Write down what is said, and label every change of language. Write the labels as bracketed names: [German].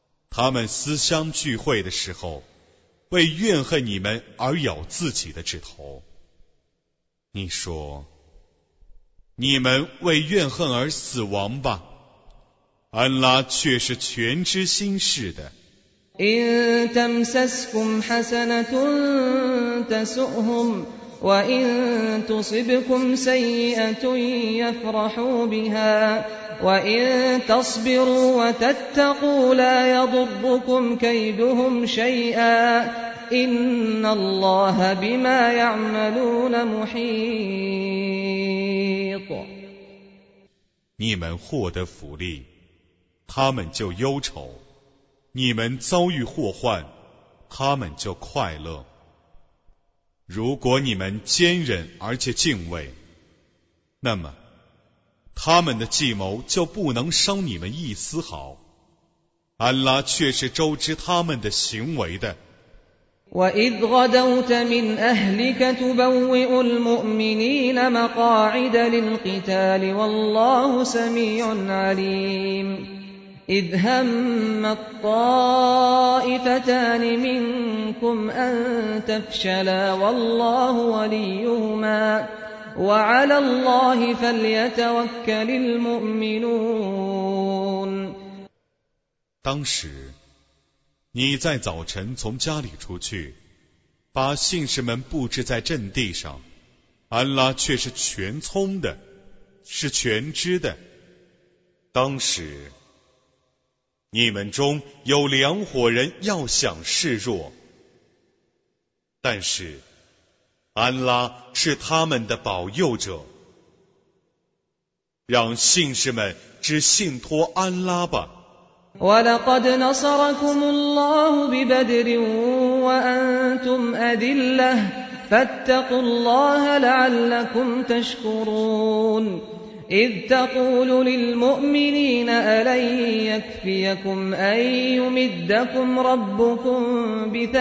[Chinese] 他们思乡聚会的时候为怨恨你们而咬自己的指头，你说你们为怨恨而死亡吧，安拉却是全知心事的。 [Arabic] إن تمسسكم حسنة تسؤهم وإن تصبكم سيئة يفرحوا بها وإن تصبروا وتتقوا لا يضركم كيدهم شيئا إن الله بما يعملون محيط. [Chinese] 你们获得福利，他们就忧愁。你们遭遇祸患，他们就快乐。如果你们坚忍而且敬畏，那么他们的计谋就不能伤你们一丝毫。安拉却是周知他们的行为的。 [Arabic] وَإِذْ غَدَوْتَ مِنْ أَهْلِكَ تُبَوِّئُ الْمُؤْمِنِينَ مَقَاعِدَ لِلْقِتَالِ وَاللَّهُ سَمِيعٌ عَلِيمٌإذ هم الطائفتان منكم أن تفشلا والله وليهما وعلى الله فليتوكل المؤمنون. [Chinese] 当时你在早晨从家里出去，把信士们布置在阵地上，安拉却是全聪的，是全知的。当时你们中有两伙人要想示弱，但是安拉是他们的保佑者，让信士们只信托安拉吧。 [Arabic] وَلَقَدْ نَصَرَكُمُ اللَّهُ بِبَدْرٍ وَأَنْتُمْ أَذِلَّةٌ فَاتَّقُوا اللَّهَ لَعَلَّكُمْ تَشْكُرُونَإذ تقول للمؤمنين ألن يكفيكم أن يمدكم ربكم